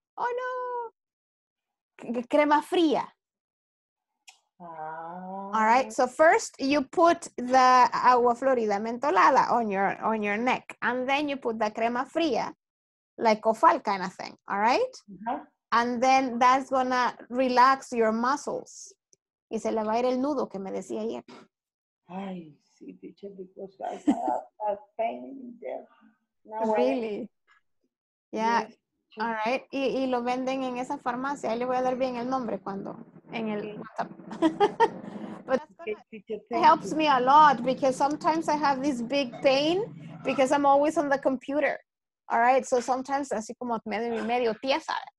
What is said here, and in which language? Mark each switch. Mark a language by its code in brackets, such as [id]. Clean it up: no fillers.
[es] Oh no, crema fría. [en] All right, so first you put the Agua Florida Mentolada on your neck, and then you put the crema fría, like Cofal kind of thing, all right? Uh-huh. And then that's gonna relax your muscles. [es] Y se le va a ir el nudo que me decía ayer. [en] Ay, sí, teacher, because I have a pain there. No, really? Yeah, all right. [es] Y lo venden en esa farmacia. Ahí le voy a dar bien el nombre cuando, en el WhatsApp. [en] But that's gonna, it helps me a lot because sometimes I have this big pain because I'm always on the computer. All right, so sometimes [es] así como medio y medio tiesa.